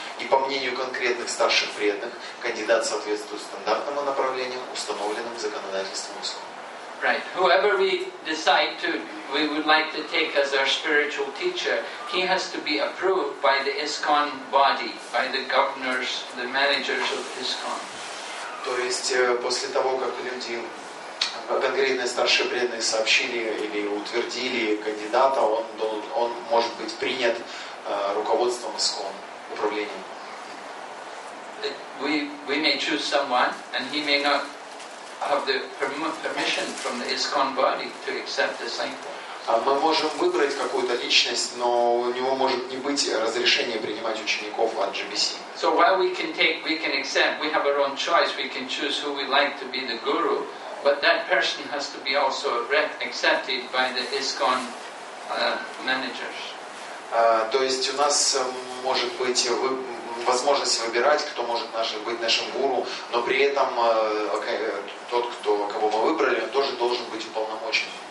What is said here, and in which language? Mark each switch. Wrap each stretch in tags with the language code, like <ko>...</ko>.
<ru>И по мнению конкретных старших преданных, кандидат соответствует стандартному направлению, установленным законодательством ИСККОН.</ru> <en>Right. Whoever we decide to, we would like to take as our spiritual teacher, he has to be approved by the ISKCON body, by the governors, the managers of ISKCON.</en> <ru>То есть после того, как люди, конкретные старшие преданные сообщили или утвердили кандидата, он может быть принят руководством ISKCON, управлением.</ru> <en>We may choose someone, and he may not have the permission from the ISKCON body to accept the disciple.</en> <ru>Мы можем выбрать какую-то личность, но у него может не быть разрешения принимать учеников от GBC.</ru> <en>So while we can take, we can accept, we have our own choice, we can choose who we like to be the guru, but that person has to be also accepted by the ISKCON managers.</en> <ru>То есть у нас может быть возможность выбирать, кто может быть нашим гуру, но при этом тот, кого мы выбрали, он тоже должен быть уполномочен.</ru>